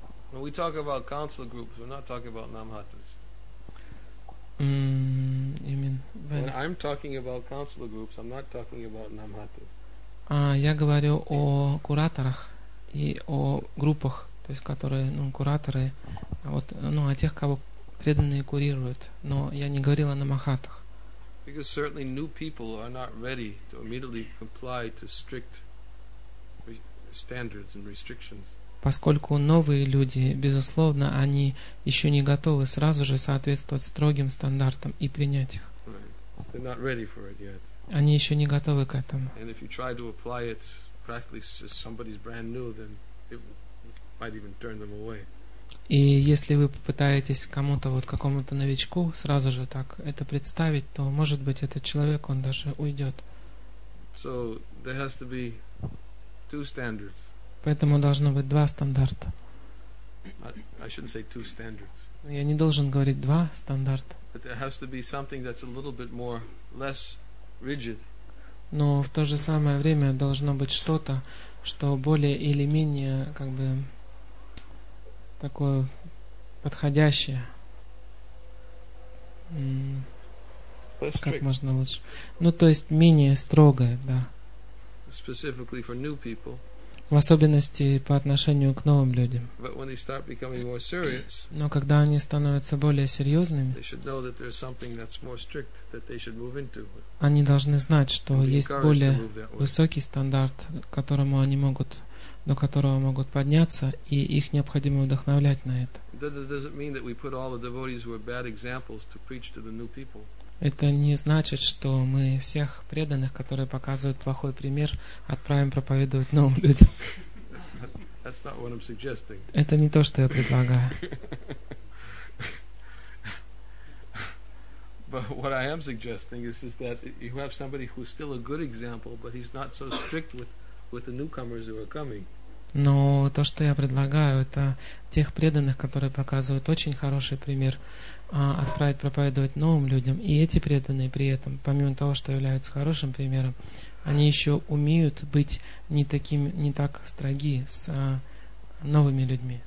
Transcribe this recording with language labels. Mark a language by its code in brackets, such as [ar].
[en] When we talk about council groups, we're not talking about Namahatas. You mean when I'm talking about council groups, I'm not talking about Namahatas. [ru] Я говорю о кураторах и о группах, то есть которые, ну, кураторы, вот, ну, о тех, кого преданные курируют, но я не говорил о намахатах. [en] Because certainly new people are not ready to immediately comply to strict standards and restrictions. [ru] Поскольку новые люди, безусловно, они еще не готовы сразу же соответствовать строгим стандартам и принять их. [en] Right. They're not ready for it yet. [ru] Они еще не готовы к этому. [en] And if you try to apply it practically as somebody's brand new, then it might even turn them away. [ru] И если вы попытаетесь кому-то, вот какому-то новичку, сразу же так это представить, то, может быть, этот человек, он даже уйдет. [en] So there has to be two standards. [ru] Поэтому должно быть два стандарта. [en] I shouldn't say two standards. [ru] Я не должен говорить два стандарта. [en] But there has to be something that's a little bit more less rigid. [ru] Но в то же самое время должно быть что-то, что более или менее как бы такое подходящее. Как можно лучше? Ну, то есть менее строгое, да. [en] Specifically for new people. [ru] В особенности по отношению к новым людям. [en] But when they start becoming more serious, [ru] но когда они становятся более серьезными, [en] they should know that there's something that's more strict that they should move into. [ru] Они должны знать, что есть более высокий стандарт, которому они могут, до которого могут подняться, и их необходимо вдохновлять на это. [en] That doesn't mean that we put all the devotees who are bad examples to preach to the new people. [ru] Это не значит, что мы всех преданных, которые показывают плохой пример, отправим проповедовать новым людям. [en] That's not what I'm suggesting. [ru] Это не то, что я предлагаю. [en] But what I am suggesting is that you have somebody who's still a good example, but he's not so strict with the newcomers who are coming. [ru] Но то, что я предлагаю, это тех преданных, которые показывают очень хороший пример, отправить проповедовать новым людям. И эти преданные при этом, помимо того, что являются хорошим примером, они еще умеют быть не таким, не так строги с новыми людьми.